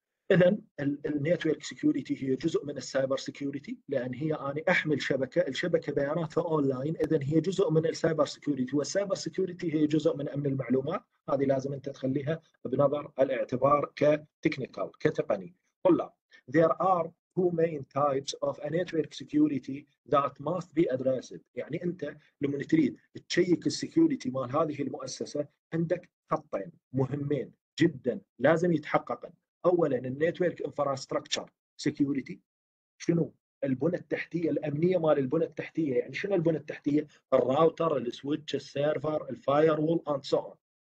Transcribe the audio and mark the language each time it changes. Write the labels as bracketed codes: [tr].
[ar] إذن النيتورك سيكوريتي هي جزء من السايبر سيكوريتي، لأن هي أنا أحمل شبكة، الشبكة بياناتها أونلاين، إذن هي جزء من السايبر سيكوريتي، والسايبر سيكوريتي هي جزء من أمن المعلومات، هذه لازم أنت تخليها بنظر الاعتبار كتكنيكال كتقني. [en] طلاب، there are two main types of a network security that must be addressed. [ar] يعني أنت لما تريد تشيك السيكوريتي مال هذه المؤسسة عندك خطين مهمين جدا لازم يتحققن. أولا النيتورك انفراستراكشر سيكوريتي، شنو البنى التحتية الأمنية مال البنى التحتية، يعني شنو البنى التحتية؟ الراوتر، السويتش، السيرفر، الفايروول [en] and so on.